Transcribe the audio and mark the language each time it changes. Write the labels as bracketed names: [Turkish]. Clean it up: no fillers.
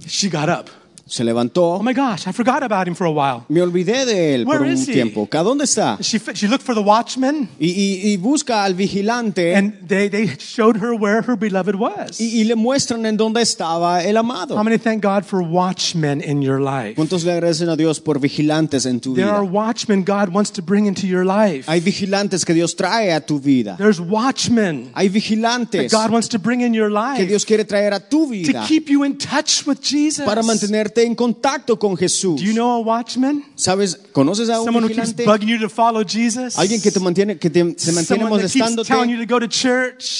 [English] She got up. [Spanish] Se levantó. [English] Oh my gosh, I forgot about him for a while. [Spanish] Me olvidé de él. [English] Where [Spanish] por un [English] is he? [Spanish] Tiempo. ¿A dónde está? [English] She looked for the watchman. [Spanish] Y busca al vigilante. [English] And they showed her where her beloved was. [Spanish] Y le muestran en dónde estaba el amado. [English] How many thank God for watchmen in your life? [Spanish] ¿Cuántos le agradecen a Dios por vigilantes en tu [English] there [Spanish] vida? [English] There are watchmen God wants to bring into your life. [Spanish] Hay vigilantes que Dios trae a tu vida. [English] There's watchmen. [Spanish] Hay vigilantes. [English] That God wants to bring in your life. [Spanish] Que Dios quiere traer a tu vida. [English] To keep you in touch with Jesus. [Spanish] Para mantener en contacto con Jesús. [English] Do you know a watchman? [Spanish] ¿Sabes? ¿Conoces a un [English] someone [Spanish] vigilante? [English] Who keeps bugging you to follow Jesus? [Spanish] Alguien que te mantiene, se mantiene molestándote. [English] Telling you to go to church.